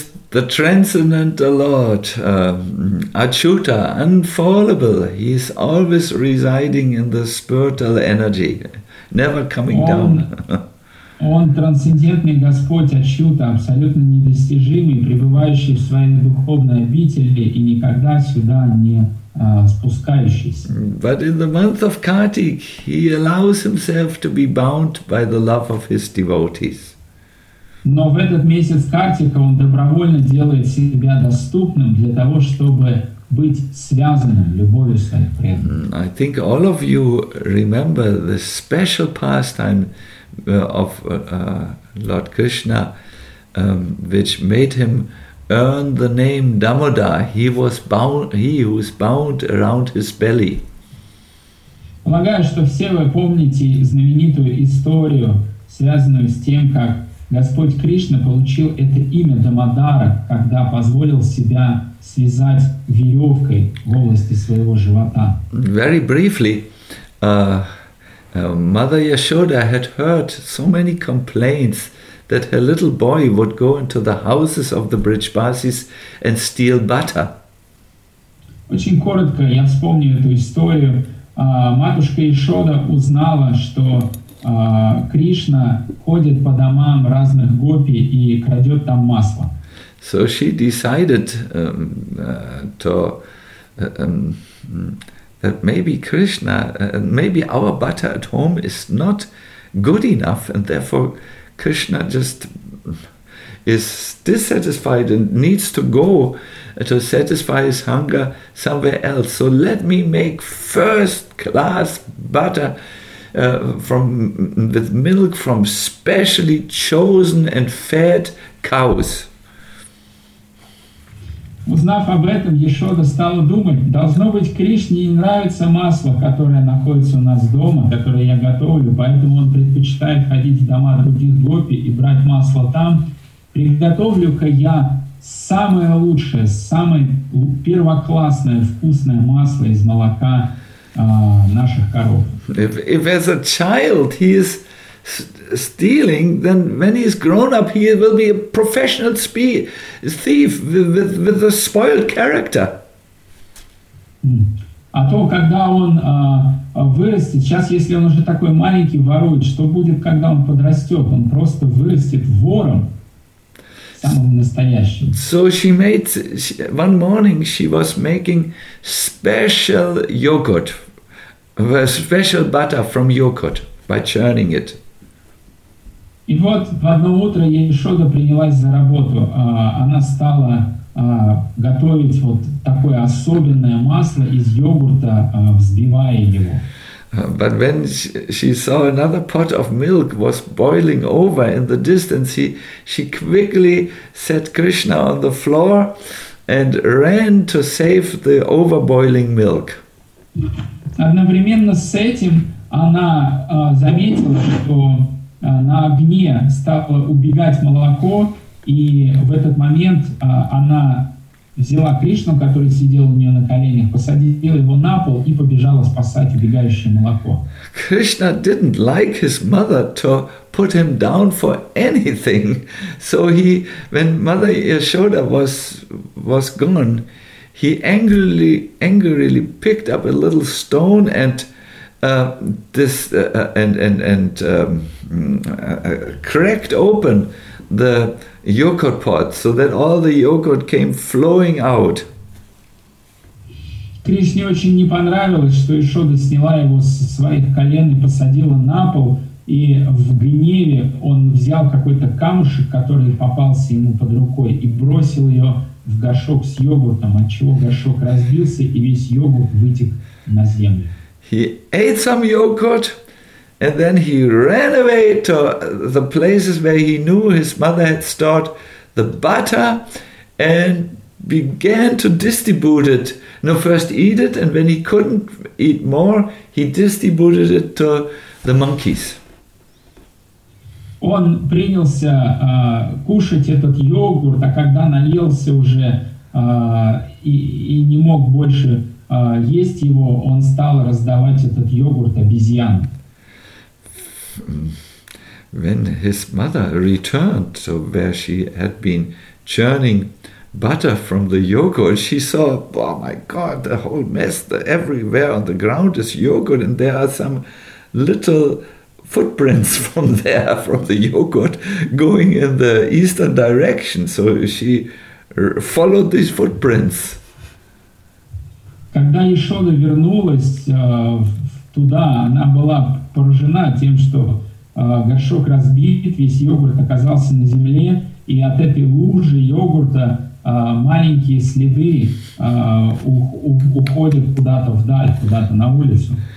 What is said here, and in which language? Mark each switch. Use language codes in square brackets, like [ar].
[en] The transcendental Lord, Achyuta, unfallable, he is always residing in the spiritual energy, never coming down. [ru] Он трансцендентный Господь Ачюта, абсолютно недостижимый, пребывающий в своей духовной обители и никогда сюда не спускающийся. [en] But in the month of Kartik, he allows himself to be bound by the love of his devotees. [ru] Но в этот месяц Картика он добровольно делает себя доступным для того, чтобы быть связанным любовью своих преданных. [en] I think all of you remember the special pastime of Lord Krishna, which made him earn the name Damodar. He was bound, he was bound around his belly. [ru] Полагаю, что все вы помните знаменитую историю, связанную с тем, как Господь Кришна получил это имя Дамодара, когда позволил себя связать веревкой в области своего живота. [en] Very briefly, Mother Yashoda had heard so many complaints that her little boy would go into the houses of the Brijbasis and steal butter. [ru] Очень коротко я вспомню эту историю. Матушка Яшода узнала, что Кришна ходит по домам разных гопи и крадет там масло. [en] So she decided that maybe Krishna, maybe our butter at home is not good enough, and therefore Krishna just is dissatisfied and needs to go to satisfy his hunger somewhere else. So let me make first-class butter with milk from specially chosen and fed cows. [ru] Узнав об этом, Яшода стала думать, должно быть, Кришне не нравится масло, которое находится у нас дома, которое я готовлю, поэтому он предпочитает ходить в дома других гопи и брать масло там. Приготовлю-ка я самое лучшее, самое первоклассное вкусное масло из молока наших коров. [en] If as a child he is stealing, then when he's grown up, he will be a professional thief with a spoiled character. [ru] А то, когда он вырастет, сейчас, если он уже такой маленький ворует, что будет, когда он подрастет? Он просто вырастет вором. [en] So she made, one morning she was making special yogurt, special butter from yogurt by churning it. [ru] И вот в одно утро Яшода принялась за работу. Она стала готовить вот такое особенное масло из йогурта, взбивая его. [en] But when she saw another pot of milk was boiling over in the distance, she quickly set Krishna on the floor and ran to save the overboiling milk. [ru] Одновременно с этим она заметила, что на огне стало убегать молоко, и в этот момент она взяла Кришну, который сидел у нее на коленях, посадила его на пол и побежала спасать убегающее молоко. [en] Krishna didn't like his mother to put him down for anything. So he, when Mother Yashoda was gone, he angrily picked up a little stone and cracked open the yogurt pot, so that all the yogurt came flowing out. [ru] Кришне очень не понравилось, что Яшода сняла его со своих колен и посадила на пол, и в гневе он взял какой-то камушек, который попался ему под рукой, и бросил ее в горшок с йогуртом, отчего горшок разбился, и весь йогурт вытек на землю. [en] He ate some yogurt, and then he ran away to the places where he knew his mother had stored the butter and began to distribute it. No, first eat it, and when he couldn't eat more, he distributed it to the monkeys. [ru] Он принялся кушать этот йогурт, а когда налился уже и не мог больше есть его, он стал раздавать этот йогурт обезьянам. [en] When his mother returned to where she had been churning butter from the yogurt, she saw, oh my God, the whole mess, everywhere on the ground is yogurt, and there are some little footprints from there, from the yogurt, going in the eastern direction. So she followed these footprints. [ru] Когда Яшода вернулась туда, она была поражена тем, что горшок разбит, весь йогурт оказался на земле, и от этой лужи йогурта маленькие следы уходят куда-то вдаль, куда-то на улицу.